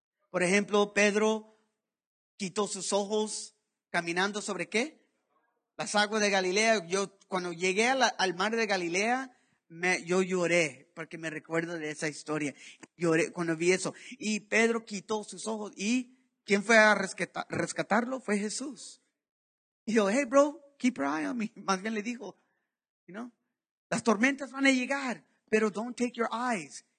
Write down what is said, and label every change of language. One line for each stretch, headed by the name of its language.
Spanish: Por ejemplo, Pedro quitó sus ojos caminando sobre ¿qué? Las aguas de Galilea. Yo cuando llegué al mar de Galilea, yo lloré porque me recuerdo de esa historia. Lloré cuando vi eso. Y Pedro quitó sus ojos. ¿Y quién fue a rescatarlo? Fue Jesús.
English: Y yo, hey, bro, keep your eye on me.
Spanish: Más bien le dijo,
English: you know,
Spanish: las tormentas van a llegar, pero
English: don't take your eyes.